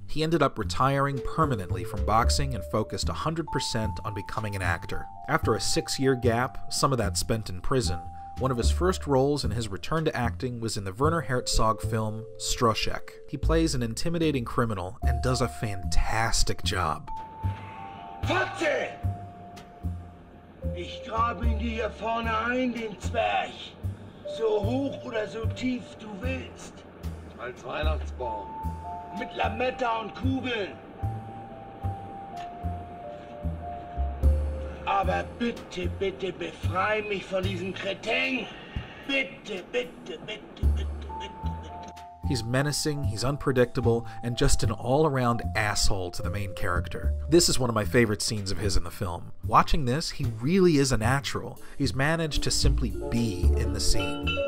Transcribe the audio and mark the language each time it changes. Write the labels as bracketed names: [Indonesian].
[English] He ended up retiring permanently from boxing and focused 100% on becoming an actor. After a 6-year gap, some of that spent in prison, one of his first roles in his return to acting was in the Werner Herzog film Strushek. He plays an intimidating criminal and does a fantastic job. [German] Fatze! Ich grabe ihn dir vorne ein, den Zwerg. So hoch oder so tief du willst. Als Weihnachtsbaum. Mit Lametta und Kugeln. Aber bitte, bitte befrei mich von diesem Kretin. Bitte, bitte, bitte, bitte, bitte, bitte. [English] He's menacing, he's unpredictable, and just an all-around asshole to the main character. This is one of my favorite scenes of his in the film. Watching this, he really is a natural. He's managed to simply be in the scene.